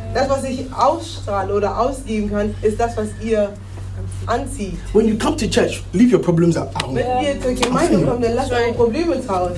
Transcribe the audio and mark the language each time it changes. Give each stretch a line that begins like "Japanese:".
German: Das, was ich ausstrahle oder ausgeben kann, ist das, was ihr anzieht.
English: When you come to church, leave your problems at home.
German: Wenn ihr zur Gemeinde kommt, dann lasst eure Probleme zu Hause.